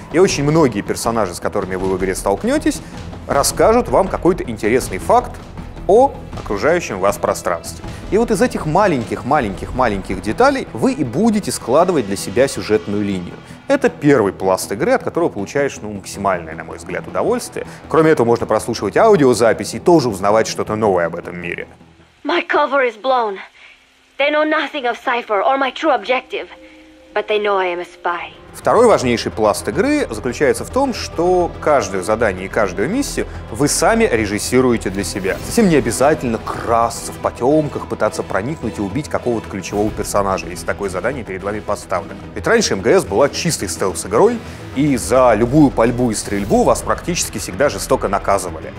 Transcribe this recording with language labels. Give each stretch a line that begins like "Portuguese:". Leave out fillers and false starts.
Russian: И очень многие персонажи, с которыми вы в игре столкнетесь, расскажут вам какой-то интересный факт о окружающем вас пространстве. И вот из этих маленьких деталей вы и будете складывать для себя сюжетную линию. Это первый пласт игры, от которого получаешь, ну, максимальное, на мой взгляд, удовольствие. Кроме этого, можно прослушивать аудиозаписи и тоже узнавать что-то новое об этом мире.
English: My cover is blown. They know nothing of Cypher or my true objective, but they know I am a spy.
Russian: Второй важнейший пласт игры заключается в том, что каждое задание и каждую миссию вы сами режиссируете для себя. Совсем не обязательно красться в потемках, пытаться проникнуть и убить какого-то ключевого персонажа, если такое задание перед вами поставлено. Ведь раньше МГС была чистой стелс-игрой, и за любую пальбу и стрельбу вас практически всегда жестоко наказывали.